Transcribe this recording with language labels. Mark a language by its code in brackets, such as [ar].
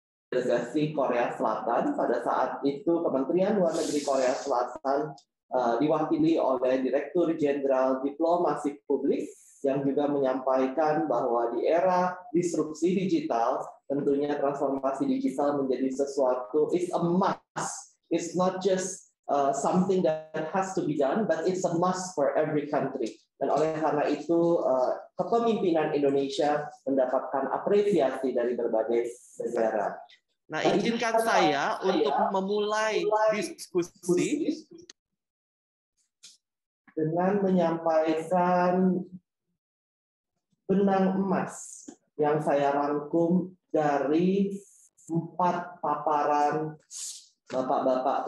[id] Delegasi Korea Selatan, pada saat itu Kementerian Luar Negeri Korea Selatan diwakili oleh Direktur Jenderal Diplomasi Publik yang juga menyampaikan bahwa di era disrupsi digital, tentunya transformasi digital menjadi sesuatu, [en] it's a must. It's not just something that has to be done, but it's a must for every country. [id] Dan oleh karena itu, kepemimpinan Indonesia mendapatkan apresiasi dari berbagai negara. Nah, izinkan saya untuk memulai diskusi dengan menyampaikan benang emas yang saya rangkum dari 4 paparan Bapak-bapak.